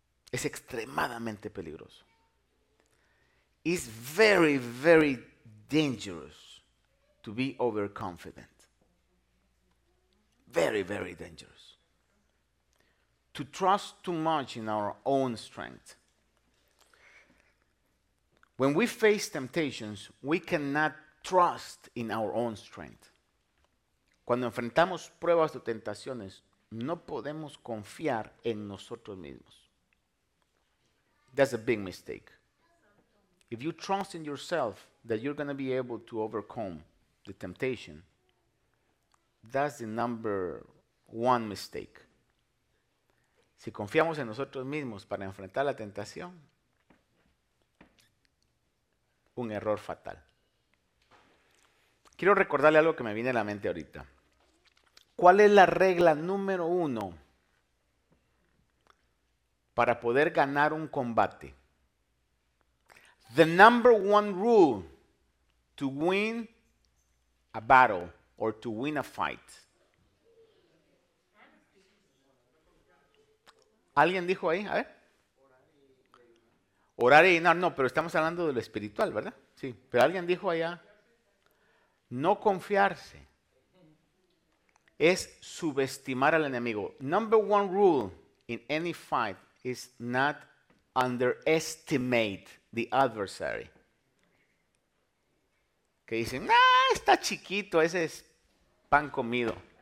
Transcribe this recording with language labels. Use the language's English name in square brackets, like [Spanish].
[Spanish] Es extremadamente peligroso. [English] It's very, very dangerous to be overconfident. Very, very dangerous. To trust too much in our own strength. When we face temptations, we cannot trust in our own strength. [Spanish] Cuando enfrentamos pruebas o tentaciones, no podemos confiar en nosotros mismos. [English] That's a big mistake. If you trust in yourself that you're going to be able to overcome the temptation, that's the number one mistake. [Spanish] Si confiamos en nosotros mismos para enfrentar la tentación, un error fatal. Quiero recordarle algo que me viene a la mente ahorita. ¿Cuál es la regla número uno para poder ganar un combate? [English] The number one rule to win a battle or to win a fight. [Spanish] ¿Alguien dijo ahí? A ver. Orar y ayunar, no, pero estamos hablando de lo espiritual, ¿verdad? Sí, pero alguien dijo allá, no confiarse es subestimar al enemigo. [English] Number one rule in any fight is not underestimate the adversary. [Spanish] Que dicen, ah, está chiquito, ese es pan comido.